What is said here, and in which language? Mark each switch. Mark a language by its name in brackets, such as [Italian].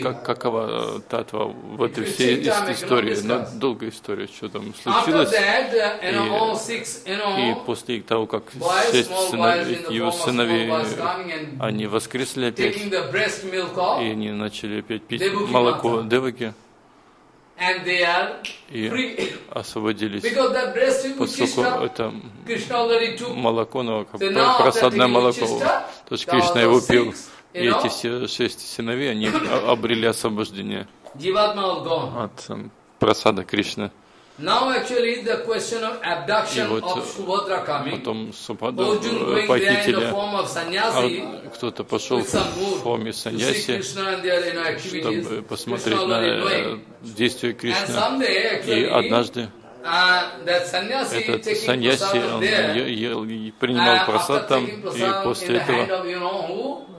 [Russian] Какова татва в этой всей истории, долгая история, что там случилось. [English] After that, you know, all six, you know, [Russian] и после того, как шесть сыновей, его сыновей, они воскресли опять, и они начали опять пить молоко Деваки. [English] And they are free. [Russian] Освободились. [English] Because that breast milk Krishna already took. So now that he took it, and these six sons, they obtained [Russian] освобождение. [English] Jivatma is gone. [Russian] От просада Кришны. [English] Now actually the question of abduction of Subhodra coming. [Russian] Потом Субхадра похитили. Кто-то пошел в форме саньяси, чтобы посмотреть на действия Кришны. И однажды этот саньяси принимал просад там, и после этого